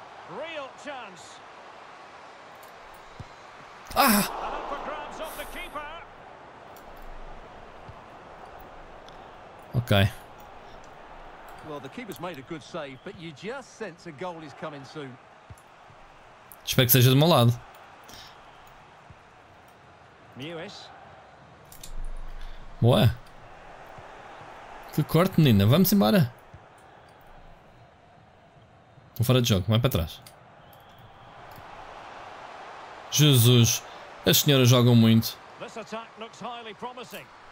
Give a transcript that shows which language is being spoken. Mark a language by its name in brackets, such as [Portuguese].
[English] Real chance. Ah. And up for grabs off the keeper. Ok. Well, the keeper's made a good save, but you just sense a goal is coming soon. [Portuguese] Espero que seja do meu lado. Mewis. Ué. Que corte, menina. Vamos embora. Vou fora de jogo. Vai para trás. Jesus. As senhoras jogam muito. [English] This attack looks highly promising.